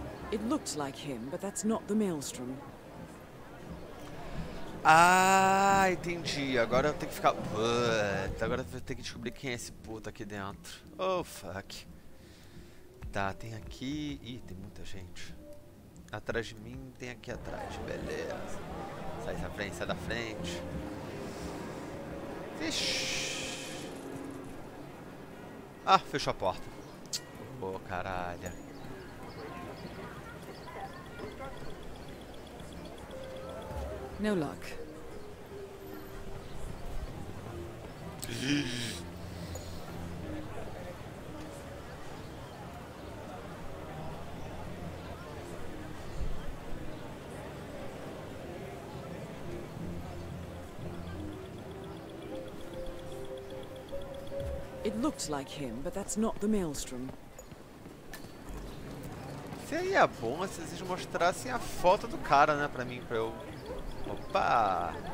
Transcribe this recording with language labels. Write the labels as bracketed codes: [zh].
[en] It looked like him, but that's not the Maelstrom. [pt] Ah, entendi. Agora eu tenho que ficar. Puta, agora eu tenho que descobrir quem é esse puto aqui dentro. [en] Oh fuck. [pt] Tá, tem aqui. Ih, tem muita gente. Atrás de mim tem aqui atrás, beleza. Sai da frente, sai da frente. Vish. Ah, fechou a porta. Ô, caralho. [en] No luck. [pt] Vish. [en] It looked like him, but that's not the Maelstrom. [pt] Seria bom se vocês mostrassem a foto do cara, né, pra mim, pra eu... Opa!